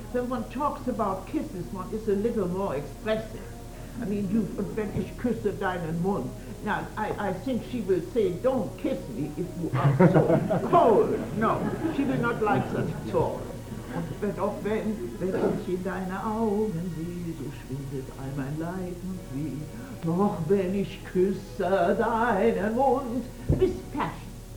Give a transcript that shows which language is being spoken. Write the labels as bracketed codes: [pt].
[en] When one talks about kisses, one is a little more expressive. I mean, [de] wenn ich küsse deinen Mund. [en] Now, I think she will say, don't kiss me if you are so cold. No, she will not like such talk. But [de] auch wenn ich in deine Augen sehe, so schwindet all mein Leid und Weh. Doch wenn ich küsse deinen Mund, bis passion.